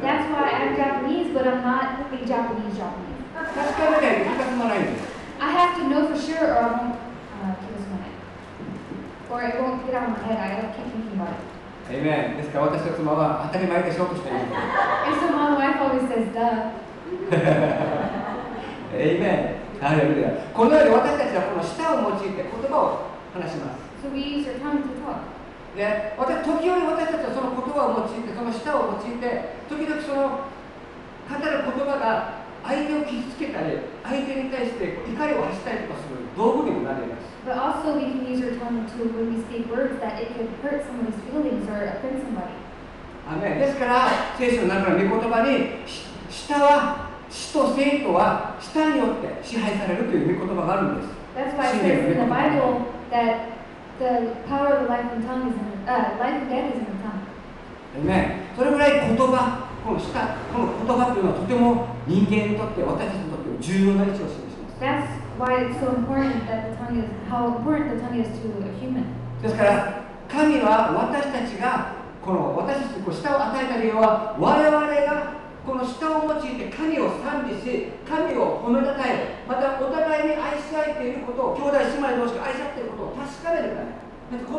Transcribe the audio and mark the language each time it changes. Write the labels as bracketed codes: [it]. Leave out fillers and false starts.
[en] That's why I'm Japanese, but I'm not a Japanese Japanese. [ja] 確かめないと聞かせもないんです。 [en] I have to know for sure or I won't kiss my head. Or it won't get out of my head. I keep thinking about it. Amen. [ja] ですから私の妻は当たり前でしょとしか言う。 [en] And so my wife always says, duh. Amen. Hallelujah. [ja] このように私たちはこの舌を用いて言葉を話します。 [en] So we use our tongue to talk. [ja] で、私時折私たちはその言葉を用いて、その舌を用いて、時々その語る言葉が相手を傷つけたり、相手に対して怒りを発したりとかする道具にもなります。 [en] But also we can use our tongue to when we speak words that it could hurt someone's feelings or offend somebody. Amen. [ja] ですから、聖書の中の御言葉に、舌は、死と生徒は舌によって支配されるという御言葉があるんです。 [en] That's why it says in the Bible that the power of the life and tongue is in life and death is in the tongue. Amen. [ja] それぐらい言葉、この舌、この言葉というのはとても人間にとって私たちにとって重要な位置を示します。 [en] That's why it's so important that the tongue is how important the tongue is to a human. [ja] ですから神は私たちがこの私たちに舌を与えた理由は我々がこの舌を用いて神を賛美し神を褒めたたえまたお互いに愛し合っていることを兄弟姉妹同士が愛し合っていることを確かめるため。